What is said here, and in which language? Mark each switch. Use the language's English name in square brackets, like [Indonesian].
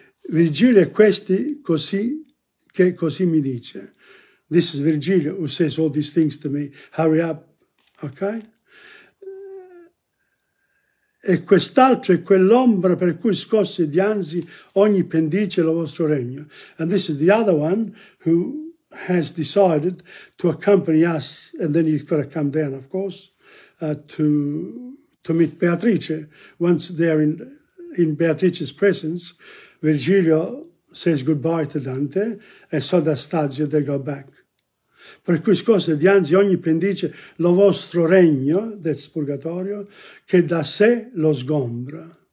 [Italian] Virgilio è questi così, che così mi dice. [English] This is Virgilio who says all these things to me. Hurry up, okay? [Italian] E quest'altro è quell'ombra per cui scosse dianzi ogni pendice lo vostro regno. [English] And this is the other one who has decided to accompany us, and then he's got to come down, of course, to meet Beatrice. Once they're in Beatrice's presence, Virgilio says goodbye to Dante, and so does Stasio, they go back. [Italian] Per cui scosse dianzi ogni pendice lo vostro regno, del purgatorio, che da sé lo sgombra.